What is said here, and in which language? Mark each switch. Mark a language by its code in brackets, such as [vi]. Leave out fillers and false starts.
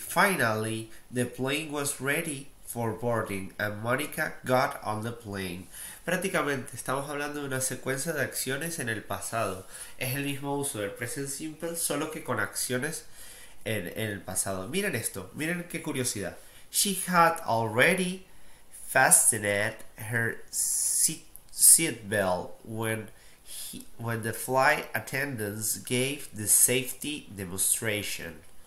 [en] Finally, the plane was ready for boarding and Monica got on the plane. [es] Prácticamente estamos hablando de una secuencia de acciones en el pasado. Es el mismo uso del present simple, solo que con acciones en el pasado. Miren esto, miren qué curiosidad. [en] She had already fastened her seatbelt when the flight attendants gave the safety demonstration.